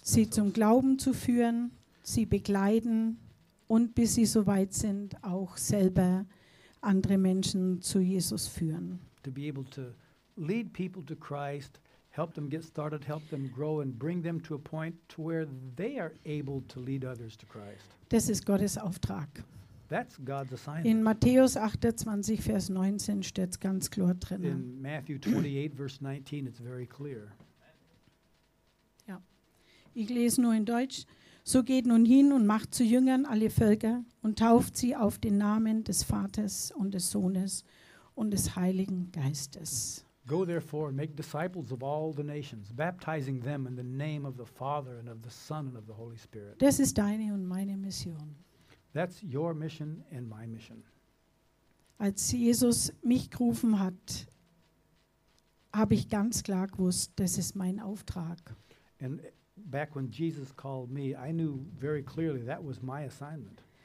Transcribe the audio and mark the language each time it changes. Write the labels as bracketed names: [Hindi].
[German] Sie zum Glauben zu führen, sie begleiten und bis sie soweit sind, auch selber andere Menschen zu Jesus führen. [English] To be able to lead people to Christ, help them get started, help them grow and bring them to a point to where they are able to lead others to Christ. [German] Das ist Gottes Auftrag. [English] That's God's assignment. [German] In Matthäus 28, Vers 19 steht es ganz klar drin. [English] In Matthew 28, verse 19, it's very clear. [German] Ja. Ich lese nur in Deutsch. So geht nun hin und macht zu Jüngern alle Völker und tauft sie auf den Namen des Vaters und des Sohnes und des Heiligen Geistes. [English] Go therefore and make disciples of all the nations, baptizing them in the name of the Father and of the Son and of the Holy Spirit. [German] Das ist deine und meine Mission. [English] That's your mission and my mission. [German] Als Jesus mich gerufen hat, habe ich ganz klar gewusst, das ist mein Auftrag. [English] And back when Jesus called me, I knew very clearly that was my assignment.